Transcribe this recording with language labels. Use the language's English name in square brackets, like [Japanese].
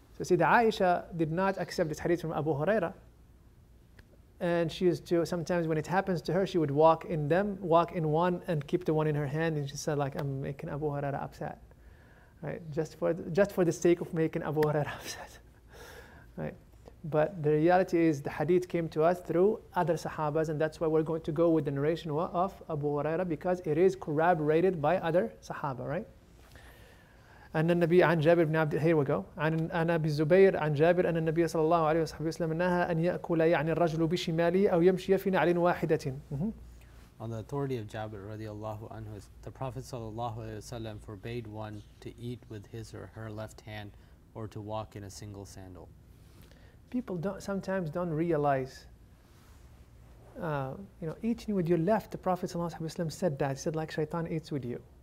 [English] So Sayyidina Aisha did not accept this hadith from Abu Huraira. And she used to, sometimes when it happens to her, she would walk in one and keep the one in her hand, and she said, like, I'm making Abu Huraira upset. Right? Just for the sake of making Abu Huraira upset. Right? But the reality is the hadith came to us through other sahabas, and that's why we're going to go with the narration of Abu Huraira, because it is corroborated by other sahaba, right? [Arabic] أن النبي عن جابر بن عبد [English] here we go [Arabic] عن أبي الزبير عن جابر أن النبي صلى الله عليه وصحبه وسلم نهى أن يأكل يعني الرجل بشماله أو يمشي في نعل واحدة. [English] On the authority of Jabir رضي الله عنه, the Prophet صلى الله عليه وسلم forbade one to eat with his or her left hand or to walk in a single sandal. People sometimes don't realize. You know, eating with your left, the Prophet صلى الله عليه وسلم said that. He said, like shaitan eats with you.